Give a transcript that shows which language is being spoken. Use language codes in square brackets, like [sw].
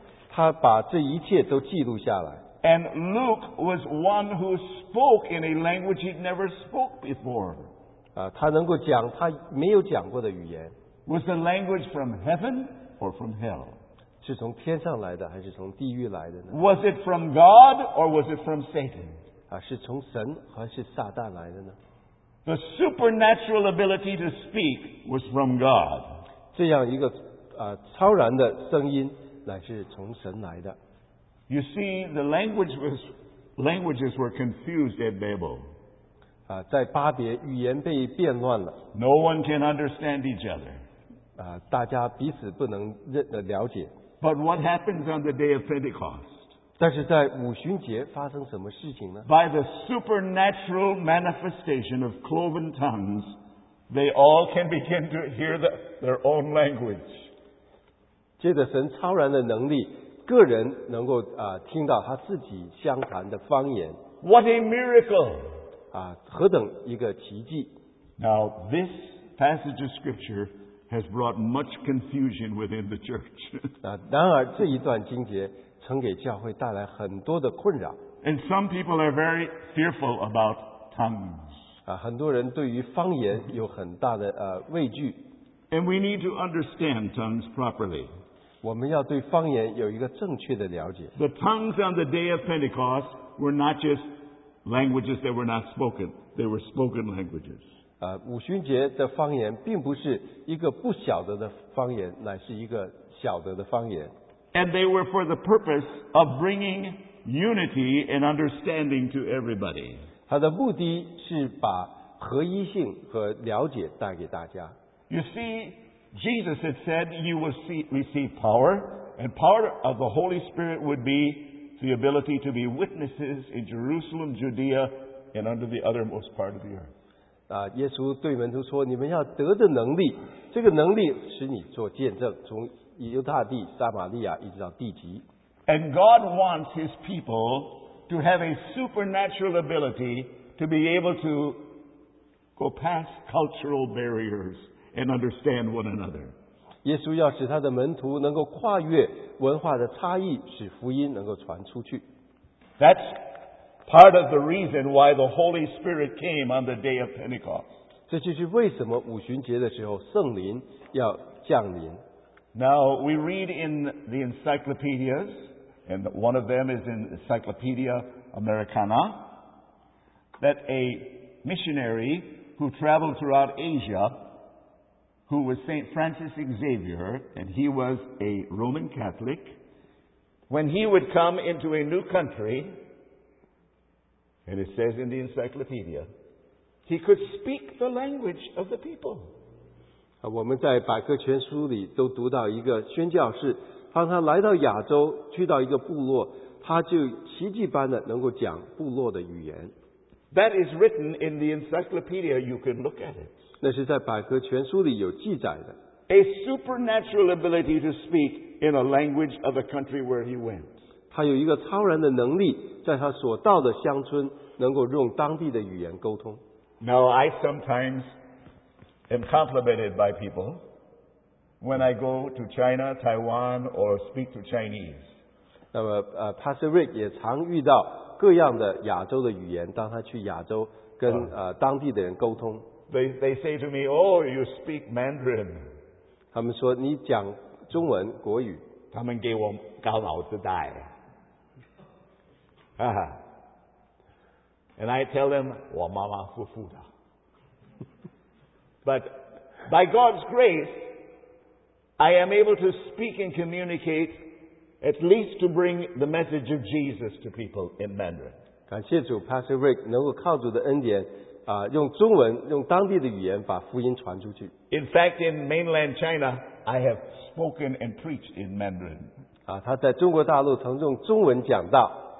[zh] 他把这一切都记录下来。 [en] And Luke was one who spoke in a language he'd never spoke before. [zh] 他能够讲他没有讲过的语言。 [en] Was the language from heaven or from hell? [zh] 是从天上来的还是从地狱来的呢？ [en] Was it from God or was it from Satan? [zh] 是从神还是撒旦来的呢？ [en] The supernatural ability to speak was from God. [zh] 这样一个超然的声音乃是从神来的。 [en] You see, the languages were confused at Babel. [zh] 在巴别语言被变乱了。 [en] No one can understand each other. [zh] 大家彼此不能了解。 [en] But what happens on the day of Pentecost? [zh] 但是在五旬节发生什么事情呢？ [en] By the supernatural manifestation of cloven tongues, they all can begin to hear their own language. [zh] 借着神超然的能力，个人能够听到他自己相谈的方言。 [en] What a miracle! [zh] 何等一个奇迹。 [en] Now, this passage of scripture has brought much confusion within the church. [zh] 然而这一段经节曾给教会带来很多的困扰。 [en] And some people are very fearful about tongues. [zh] 很多人对于方言有很大的畏惧。 [en] And we need to understand tongues properly. [zh] 我们要对方言有一个正确的了解。 [en] The tongues on the day of Pentecost were not just languages that were not spoken. They were spoken languages. [zh] 五旬节的方言并不是一个不晓得的方言，乃是一个晓得的方言。 [en] And they were for the purpose of bringing unity and understanding to everybody. [zh] 它的目的是把合一性和了解带给大家。 [en] You see, Jesus had said you will receive power, and power of the Holy Spirit would be the ability to be witnesses in Jerusalem, Judea, and under the othermost part of the earth. [zh] 耶稣对门徒说，你们要得的能力，这个能力使你做见证，从犹大地撒玛利亚一直到地极。 [en] And God wants his people to have a supernatural ability to be able to go past cultural barriers and understand one another. [zh] 耶稣要使他的门徒能够跨越文化的差异，使福音能够传出去。 [en] That'sPart of the reason why the Holy Spirit came on the day of Pentecost. [zh] 这就是为什么五旬节的时候圣灵要降临。 [en] Now, we read in the encyclopedias, and one of them is in Encyclopedia Americana, that a missionary who traveled throughout Asia, who was St. Francis Xavier, and he was a Roman Catholic, when he would come into a new country,And it says in the encyclopedia, he could speak the language of the people. [zh] 我们在百科全书里都读到一个宣教士，当他来到亚洲，去到一个部落，他就奇迹般的能够讲部落的语言。 [en] That is written in the encyclopedia. You can look at it. [zh] 那是在百科全书里有记载的。 [en] A supernatural ability to speak in a language of a country where he went. [zh] 他有一个超然的能力，在他所到的乡村能够用当地的语言沟通。 [en] Now I sometimes am complimented by people when I go to China, Taiwan, or speak to Chinese. [zh] 那么Pastor Rick 也常遇到各样的亚洲的语言，当他去亚洲跟当地的人沟通。 [en] They say to me, "Oh, you speak Mandarin." [zh] 他们说你讲中文国语。他们给我高脑子袋。 [en] And I tell them, [zh] 我马马虎虎的。 [en] But by God's grace, I am able to speak and communicate, at least to bring the message of Jesus to people in Mandarin. [zh] 感谢主 ,Pastor Rick 能够靠主的恩典用中文用当地的语言把福音传出去。 [en] In fact, in mainland China, I have spoken and preached in Mandarin. [zh] 他在中国大陆曾用中文讲道。